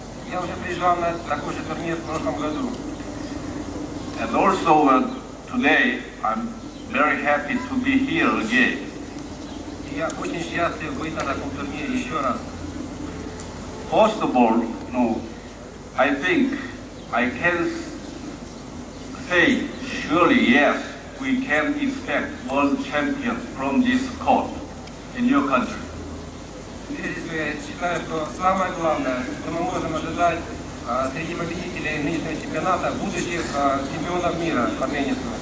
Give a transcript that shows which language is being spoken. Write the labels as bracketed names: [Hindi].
[Russian] Я уже приезжал на такой же турнир в прошлом году. [English] And also Today I'm very happy to be here again. [Russian] Я очень счастлив быть на таком турнире еще раз. [English] First of all, no, I think I can say surely yes, we can expect world champions from this court in your country. [Russian] Я считаю, что самое главное, что мы можем ожидать среди победителей нынешнего чемпионата будущих чемпионов мира в Армении.